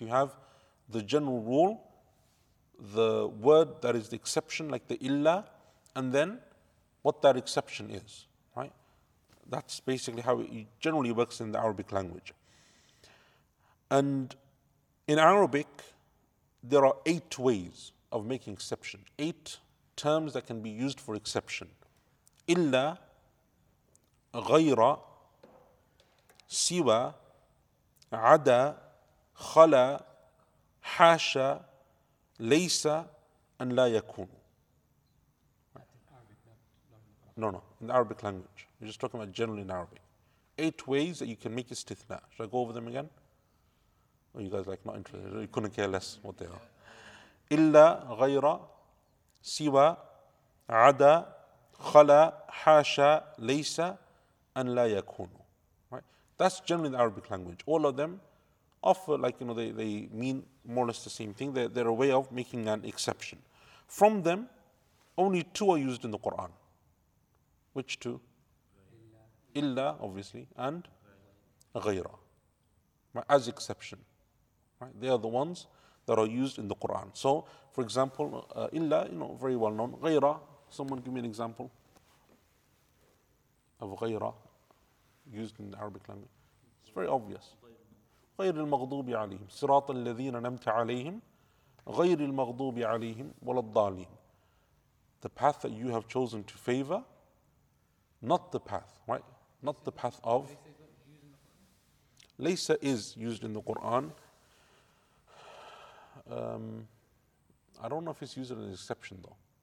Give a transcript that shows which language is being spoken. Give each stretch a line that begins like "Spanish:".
English: You have the general rule, the word that is the exception, like the illa, and then what that exception is, right? That's basically how it generally works in the Arabic language. And in Arabic, there are 8 ways of making exception, 8 terms that can be used for exception.
Arabic: Illa, غيرة سوى عدا خلا حاشا ليس أن لا يكون.
English: No, in the Arabic language. We're just talking about generally in Arabic. 8 ways that you can make istithna. Should I go over them again? Or you guys like not interested? You couldn't care less what they are.
Arabic: إلا غيرة سوى عدا خلا حاشا ليس
English: and la yakunu, right? That's generally the Arabic language. All of them offer, like, you know, they mean more or less the same thing. They're a way of making an exception. From them, only 2 are used in the Quran. Which 2? Illa, obviously, and ghayra, right, as exception. Right? They are the ones that are used in the Quran. So, for example, illa, you know, very well known. Ghayra, someone give me an example of ghayra used in the Arabic language. It's very obvious.
Arabic: غير المغضوب عليهم صراط الذين نمت عليهم غير المغضوب عليهم ولا الضالين.
English: The path that you have chosen to favor, not the path, right? Not the path of. ليس is used in the Quran. I don't know if it's used as an exception though.